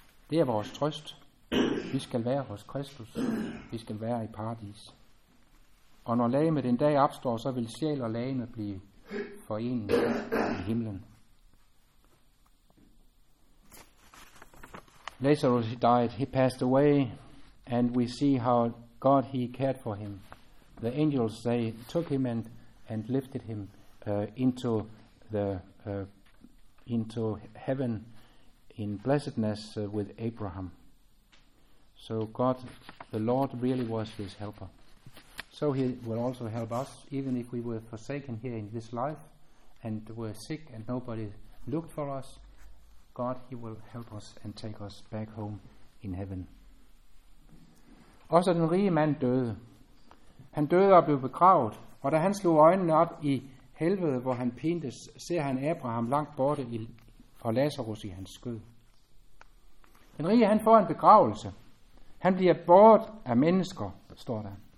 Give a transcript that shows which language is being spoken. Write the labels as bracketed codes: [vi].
[da] Det er vores trøst. Vi skal være hos Kristus. Vi skal være i paradis. Og når lægemet en dag opstår, så vil sjæl og lægemet blive forenet i himlen. [en] Lazarus, he died, he passed away, And we see how God, he cared for him. The angels, they took him and lifted him into the into heaven in blessedness with Abraham. So God, the Lord really was his helper. So he will also help us, even if we were forsaken here in this life and were sick and nobody looked for us. God, he will help us and take us back home in heaven. [da] Også den rige mand døde. Han døde og blev begravet, og da han slog øjnene op i helvede, hvor han pintes, ser han Abraham langt borte fra Lazarus i hans skød. Den rige, han får en begravelse. Han bliver båret af mennesker, står der.